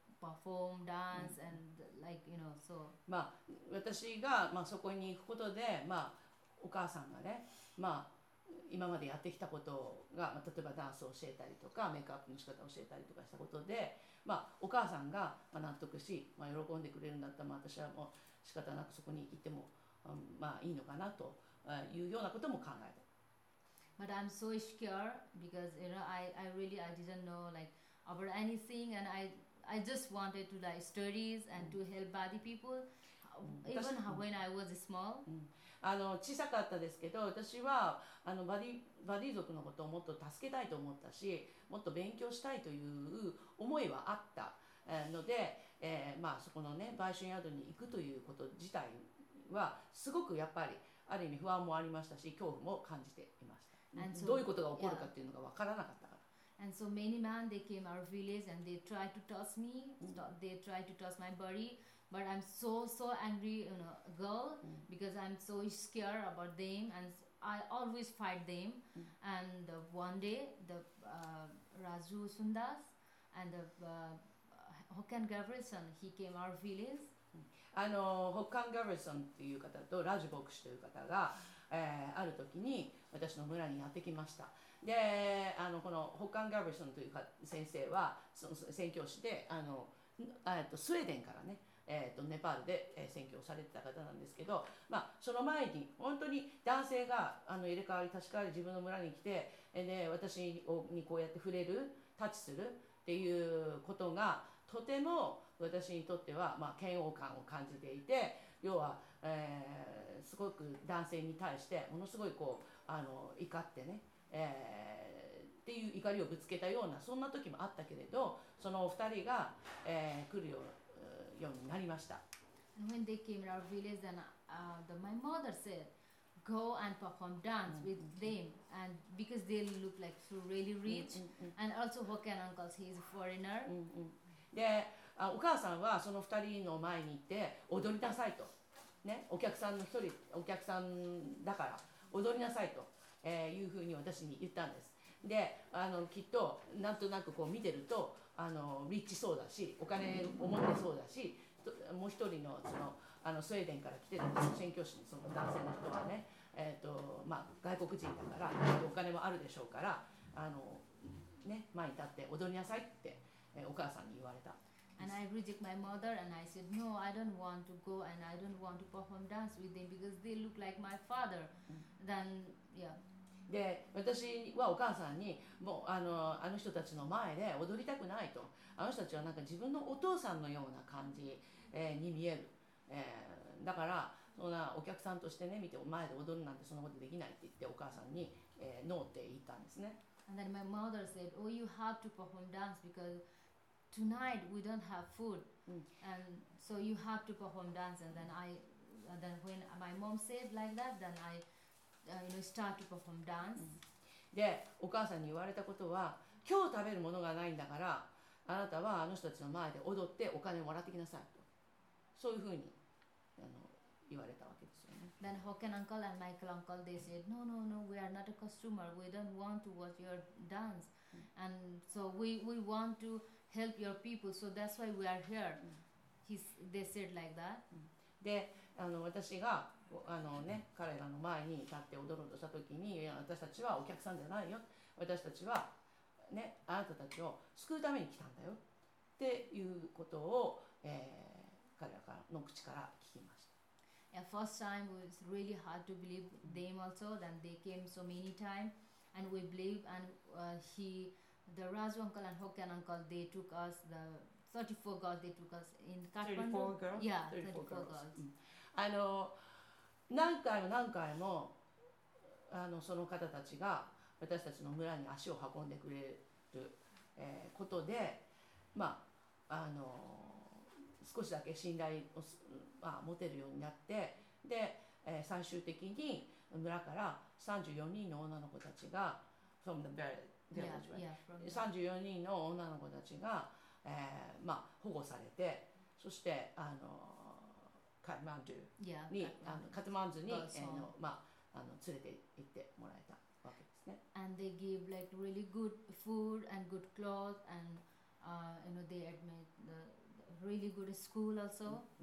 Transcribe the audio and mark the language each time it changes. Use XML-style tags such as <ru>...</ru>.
<en>perform dance and like you know so</en> <ja>まあ私がまあそこに行くことでまあお母さんがねまあ今までやってきたことが例えばダンスを教えたりとかメイクアップの仕方を教えたりとかしたことでまあお母さんが納得しまあ喜んでくれるんだったらまあ私はもう仕方なくそこに行ってもまあいいのかなというようなことも考えた。</ja> <en>But I'm so scared because you know I didn't know like about anything and I just wanted to like studies and to help other people even when I was small.</en> <ja>あの小さかったですけど私はあのバディ族のことをもっと助けたいと思ったしもっと勉強したいという思いはあったので、まあそこのね売春宿に行くということ自体はすごくやっぱりある意味不安もありましたし恐怖も感じていました。</ja> <en>So,</en> <ja>どういうことが起こるかっていうのが分からなかったから。</ja> <en>And so many men they came our village and they tried to toss me,、mm. they tried to toss my body, but I'm so so angry, you know, girl,、mm. because I'm so scared about them and I always fight them.、Mm. And the, one day the、Raju Sundas and the Hokkan Garrison he came our village.</en> <ja>あのホッカン・ガブリソンという方とラジ牧師という方が、ある時に私の村にやってきました。であのこのホッカン・ガブリソンというか先生はその宣教師であのスウェーデンからね、ネパールで宣教されてた方なんですけど、まあ、その前に本当に男性があの入れ替わり立ち替わり自分の村に来てで私にこうやって触れるタッチするっていうことがとても私にとっては、まあ、嫌悪感を感じていて要は、すごく男性に対してものすごいこうあの怒ってね、っていう怒りをぶつけたようなそんな時もあったけれどそのお二人が、来るようになりました。</ja> <en>When they came to our village then, my mother said go and perform dance with them and because they look like so really rich and also Hokkan uncles he is a foreigner</en> <ja>であお母さんはその二人の前に行って踊りなさいと、ね、お客さんの一人お客さんだから踊りなさいと、いうふうに私に言ったんです。であのきっとなんとなくこう見てるとあのリッチそうだしお金を持ってそうだしもう一人 の, そ の, あのスウェーデンから来てる宣教師 の, その男性の人はね、まあ、外国人だからお金もあるでしょうからあの、ね、前に立って踊りなさいってお母さんに言われた。</ja> <en>And I reject my mother and I said, no, I don't want to go and I don't want to perform dance with them because they look like my father. Then, yeah.</en> <ja>で、私はお母さんに、もうあの人たちの前で踊りたくないと。あの人たちはなんか自分のお父さんのような感じ、に見える。だから、そんなお客さんとしてね、見て前で踊るなんてそんなことできないって言ってお母さんに、ノーって言ったんですね。</ja> <en>And then my mother said, oh, you have to perform dance because tonight we don't have food.、 Mm. And so you have to perform dance. And then, then when my mom said like that, then I you know, start to perform dance.、Mm.</en> <ja>で、お母さんに言われたことは、今日食べるものがないんだから、あなたはあの人たちの前で踊ってお金をもらってきなさいと。そういうふうにあの言われたわけですよね。</ja> <en>Then Hokkan uncle and Michael uncle, they said, no, no, no, we are not a customer. We don't want to watch your dance.、Mm. And so we want to help your people. So that's why we are here.、Mm. They said like that.</en> <ja>で、あの私があの、ね、彼らの前に立って踊ろうとしたときに、私たちはお客さんじゃないよ。私たちは、ね、あなたたちを救うために来たんだよ。っていうことを、彼らの口から聞きました。</ja> <en>Yeah, first time was really hard to believe them also. Then they came so many times and we believe. And、the Raju uncle and Hokkan uncle, they took us, the 34 girls, they took us in Kathmandu. 34 girls? Yeah, 34 girls.</en> <ja>あの、何回も何回もあのその方たちが私たちの村に足を運んでくれる、ことで、まあ、あの少しだけ信頼を、まあ、持てるようになってで、最終的に村から34人の女の子たちが</ja> <en>from the village, yeah, yeah, from</en> <ja>34人の女の子たちが、まあ、保護されてそしてカトマンズに、</ja> <en>yeah.</en> <ja>あのカトマンズに、</ja> <en>so.</en> <ja>まあ、あの連れて行ってもらえたわけですね。</ja> <en>And they give like really good food and good clothes and you know they admit the really good school also.</en>